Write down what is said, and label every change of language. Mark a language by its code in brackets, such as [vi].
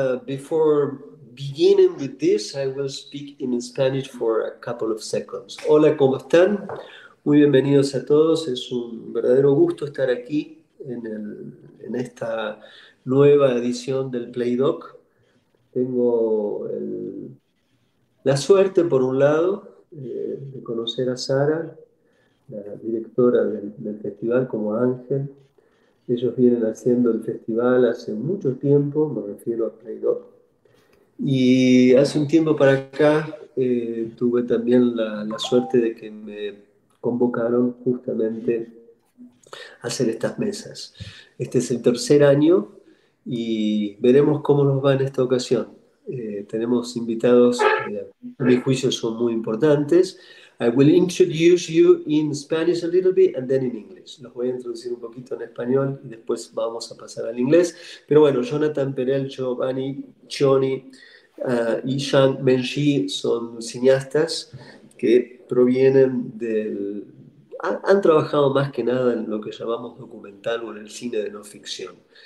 [en] Before beginning with this, I will speak in Spanish for a couple of seconds. [es] Hola, ¿cómo están? Muy bienvenidos a todos. Es un verdadero gusto estar aquí en esta nueva edición del Play Doc. Tengo la suerte, por un lado, de conocer a Sara, la directora del festival, como Ángel. Ellos vienen haciendo el festival hace mucho tiempo, me refiero a Playdoc. Y hace un tiempo para acá tuve también la suerte de que me convocaron justamente a hacer estas mesas. Este es el tercer año y veremos cómo nos va en esta ocasión. Tenemos invitados que a mi juicio son muy importantes. [en] I will introduce you in Spanish a little bit and then in English. [es] Los voy a introducir un poquito en español y después vamos a pasar al inglés. Pero bueno, Jonathan Perel, Giovanni, Choni y Shang Menxi son cineastas que provienen del... Han trabajado más que nada en lo que llamamos documental o en el cine de no ficción.